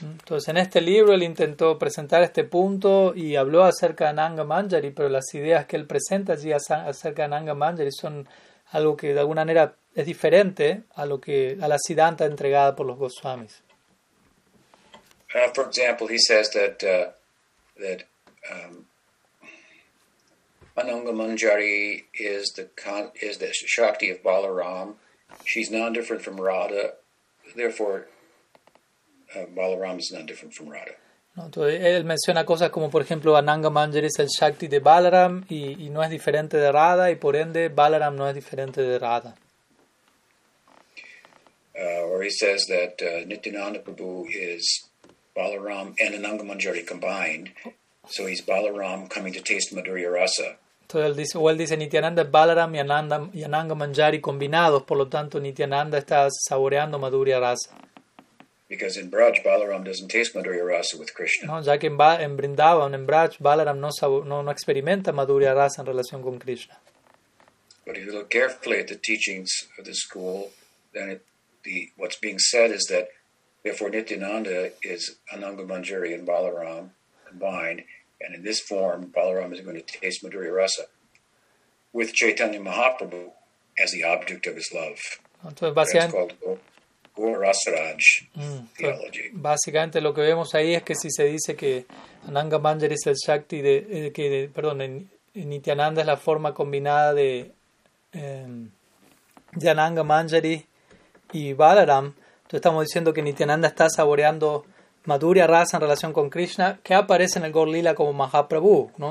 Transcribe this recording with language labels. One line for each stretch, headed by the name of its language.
Spanish: Entonces, en este libro él intentó presentar este punto y habló acerca de Ananga Manjari, pero las ideas que él presenta allí acerca de Ananga Manjari son algo que de alguna manera es diferente a lo que a la Siddhanta entregada por los Goswamis.
English: For example, he says that Ananga Manjari is the Shakti of Balaram. She's non-different from Radha, therefore Balaram is not different from Radha.
Spanish: No, entonces él menciona cosas como, por ejemplo, Ananga Manjari es el Shakti de Balaram y no es diferente de Radha, y por ende Balaram no es diferente de Radha.
English: Or he says that Nityananda Prabhu is Balaram and Ananga Manjari combined, so he's Balaram coming to taste Madhurya Rasa.
Spanish: Entonces él dice, Nityananda es Balaram y Ananga Manjari combinados, por lo tanto Nityananda está saboreando Madhurya Rasa.
English: Because in Braj, Balaram doesn't taste Madhurya Rasa with Krishna.
Spanish: No, ya que en Vrindavan, en Braj, Balaram no experimenta Madhurya Rasa en relación con Krishna.
English: But if you look carefully at the teachings of the school, then what's being said is that therefore Nityananda is Ananga Manjari and Balaram combined, and in this form, Balaram is going to taste Madhurya Rasa with Chaitanya Mahaprabhu as the object of his love.
Spanish: Entonces, básicamente,
English: Gaurasaraj theology.
Spanish: Básicamente lo que vemos ahí es que si se dice que Ananga Manjari es el Shakti de que perdón, Nityananda es la forma combinada de Ananga Manjari y Balaram, entonces estamos diciendo que Nityananda está saboreando Madhurya Rasa en relación con Krishna, que aparece en el Gaur Lila como Mahaprabhu, ¿no?